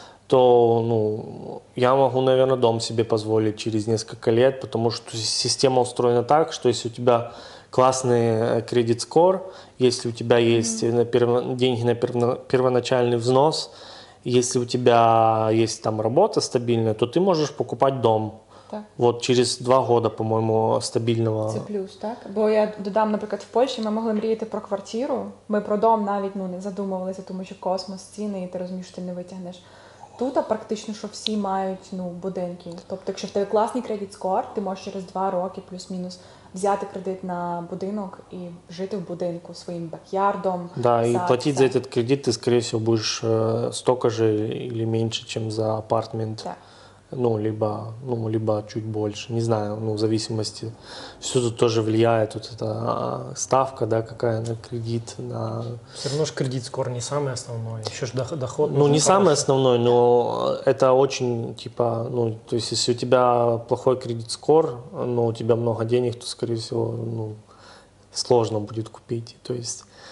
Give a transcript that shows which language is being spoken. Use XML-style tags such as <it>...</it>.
<ru>То, ну, я могу, наверное, дом себе позволить через несколько лет, потому что система устроена так, что если у тебя классный кредит скор, если у тебя есть деньги на первоначальный взнос, если у тебя есть там работа стабильная, то ты можешь покупать дом. Так. Вот через 2 года, по-моему, стабильного.</ru> <uk>Це плюс, так? Бо я додам, наприклад, в Польщі ми могли мріяти про квартиру, ми про дом навіть, ну, не задумувалися, тому що космос, ціни, і ти розумієш, що ти не витягнеш. Тут практично, що всі мають, ну, будинки. Тобто, якщо в тебе класний кредит скор, ти можеш через 2 роки плюс-мінус взяти кредит на будинок і жити в будинку своїм бекярдом. Да, і платити за цей кредит ти, скоріше всього, будеш стільки ж або менше, ніж за апартмент. Да.</uk> <ru>Ну, либо чуть больше, не знаю, ну, в зависимости. Все тут тоже влияет, вот эта ставка, да, какая на кредит, на... Все равно же кредит скоро не самый основной, еще же доход... Ну, не хороший. Самый основной, но это очень, типа, ну, то есть, если у тебя плохой кредит скор, но у тебя много денег, то, скорее всего, ну, сложно будет купить, то есть...</ru>